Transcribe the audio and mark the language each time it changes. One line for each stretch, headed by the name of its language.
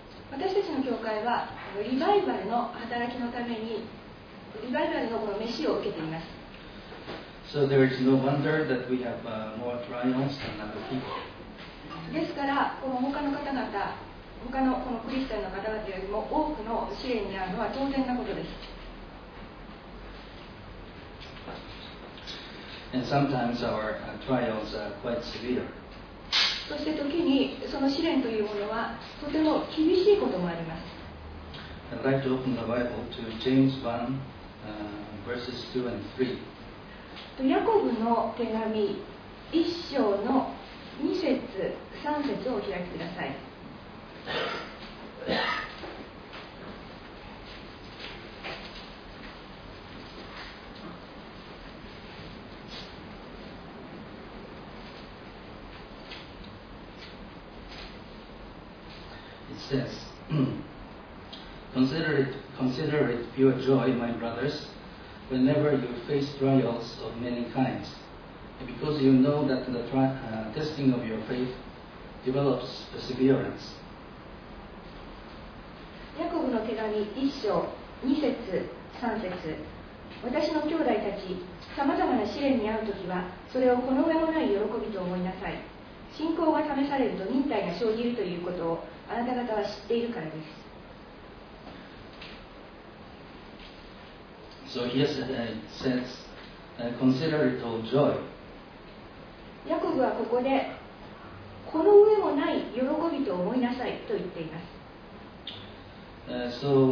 Japanese: 私たちの教会はリバイバルの働きのためにリバイバルのこの召しを受けています。
English: So there is no wonder that we have more trials than other people.
Japanese: ですから、この他の方々、他のこのクリスチャンの方々よりも多くの試練にあるのは当然なことです。
English: And sometimes our trials are quite severe.
Japanese: そして時にその試練というものはとても厳しいこともあります。
English: I'd like to open the Bible to James 1, verses 2 and 3.
Japanese: ヤコブの手紙1章の2節3節を開いてください。
English: It says, Consider it pure joy, my brothers. Whenever you face trials of many kinds, because you know that the testing of your faith develops perseverance.
Japanese: ヤコブの手紙1章2節3節。私の兄弟たち、さまざまな試練に遭うときは、それをこの上もない喜びと思いなさい。信仰が試されると忍耐が生じるということをあなた方は知っているからです。
English: So here it says, consider it all joy.
Japanese: ヤコブはここでこの上もない喜びと思いなさいと言っています。